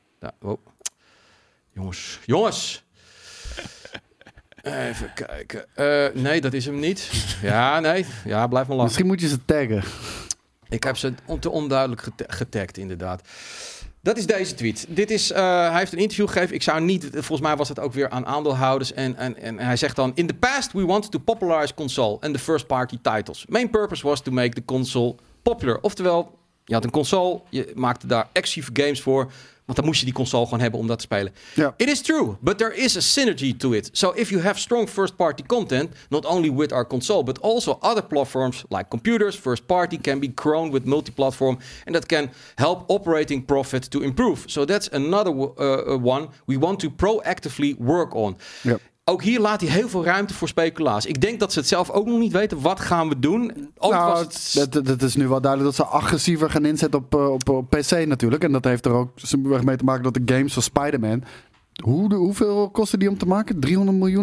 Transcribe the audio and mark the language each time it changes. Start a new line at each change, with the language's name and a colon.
Dutch: Ja, wow. Jongens. Even kijken. Nee, dat is hem niet. Ja, nee. Ja, blijf maar lachen. Misschien moet je ze taggen. Ik heb ze te onduidelijk getagd, inderdaad. Dat is deze tweet. Dit is, hij heeft een interview gegeven. Ik zou niet, volgens mij was het ook weer aan aandeelhouders. En hij zegt dan,
English: in the past we wanted to popularize console and the first party titles. Main purpose was to make the console popular.
Dutch: Oftewel, je had een console, je maakte daar exclusive games voor. Want dan moest je die console gewoon hebben om dat te spelen.
English: Yeah. It is true, but there is a synergy to it. So if you have strong first party content, not only with our console, but also other platforms like computers, first party can be grown with multi-platform and that can help operating profit to improve. So that's another one we want to proactively work on. Yep.
Dutch: Ook hier laat hij heel veel ruimte voor speculaas. Ik denk dat ze het zelf ook nog niet weten. Wat gaan we doen? Nou, het is nu wel duidelijk dat ze agressiever gaan inzetten op PC natuurlijk. En dat heeft er ook simpelweg mee te maken dat de games van Spider-Man, hoeveel kostte die om te maken? 300 miljoen